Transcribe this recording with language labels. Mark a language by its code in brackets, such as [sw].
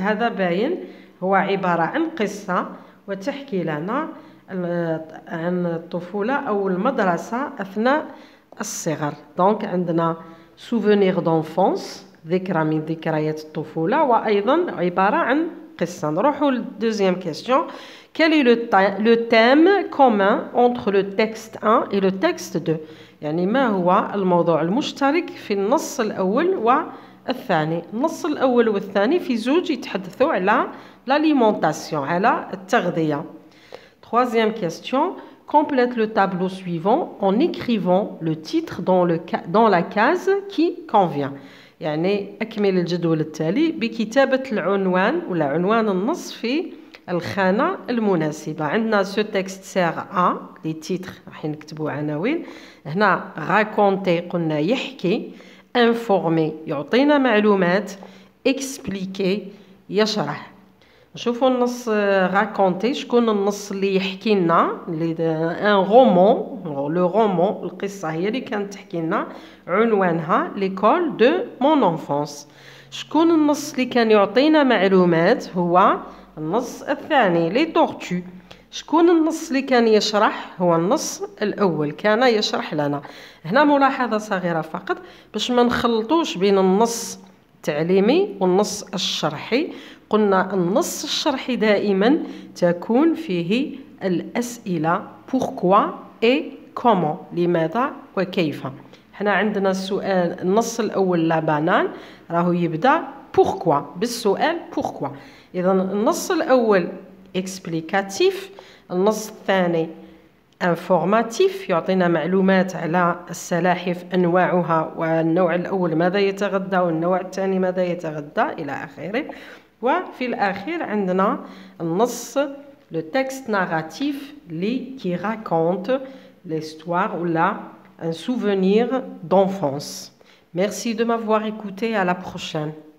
[ar] هذا باين هو عبارة عن قصة وتحكي لنا عن الطفولة أو المدرسة أثناء الصغر. دونك عندنا سوفونير دونفونس, ذكرى من ذكريات الطفولة, وأيضا عبارة عن قصة. نروحوا للدوزيام كيستيون. [fr] Quel est le thème commun entre le texte 1 et le texte 2? [ar] يعني ما هو الموضوع المشترك في النص الأول والثاني؟ النص الأول والثاني في زوج يتحدثوا على l'alimentation, على التغذية. [fr] Troisième question. Complète le tableau suivant en écrivant le titre dans la case qui convient. [ar] يعني أكمل الجدول التالي بكتابة العنوان ولا عنوان النص في الخانة المناسبة. عندنا [fr] ce texte sert à les titres, [ar] راح نكتبوا عناوين. هنا raconter, قلنا يحكي. Informer, يعطينا معلومات. Expliquer, يشرح. نشوفوا النص raconter, شكون النص اللي يحكي لنا؟ un roman, le roman, القصة هي اللي كانت تحكي لنا. عنوانها [fr] l'école de mon enfance. [ar] شكون النص اللي كان يعطينا معلومات؟ هو النص الثاني لي تورتو. شكون النص اللي كان يشرح؟ هو النص الاول كان يشرح لنا. هنا ملاحظه صغيره فقط باش ما نخلطوش بين النص التعليمي والنص الشرحي. قلنا النص الشرحي دائما تكون فيه الاسئله بوركوا اي كومون, لماذا وكيف. هنا عندنا السؤال النص الاول لا بانان راهو يبدا بوركوا, بالسؤال بوركوا. إذا النص الأول explicatif, النص الثاني informatif, يعطينا معلومات على السلاحف أنواعها والنوع الأول ماذا يتغذى والنوع الثاني ماذا يتغذى إلى آخره. وفي الأخير عندنا النص [fr] le texte narratif qui raconte l'histoire ou là un souvenir d'enfance. Merci de m'avoir écouté, à la prochaine.